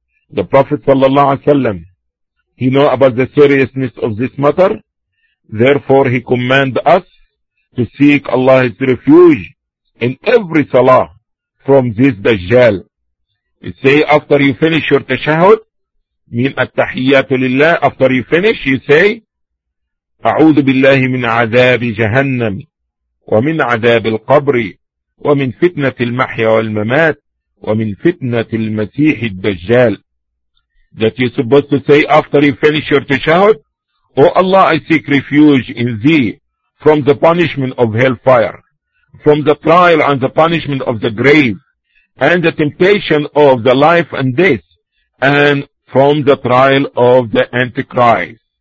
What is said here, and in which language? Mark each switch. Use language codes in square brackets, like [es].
[en] The prophet sallallahu alayhi wasallam, he know about the seriousness of this matter. Therefore he command us to seek Allah's refuge in every salah from this Dajjal. You say after you finish your tashahud, mean at-tahiyyatu lillah, after you finish, you say, [ar] أَعُوذُ بِاللَّهِ مِنْ عَذَابِ جَهَنَّمِ وَمِنْ عَذَابِ الْقَبْرِ وَمِنْ فِتْنَةِ الْمَحْيَ وَالْمَمَاتِ وَمِنْ فِتْنَةِ الْمَسِيحِ الدَّجَّالِ. [en] That you're supposed to say after you finish your tashahud, O Allah, I seek refuge in thee from the punishment of hellfire, from the trial and the punishment of the grave, and the temptation of the life and death, and from the trial of the Antichrist.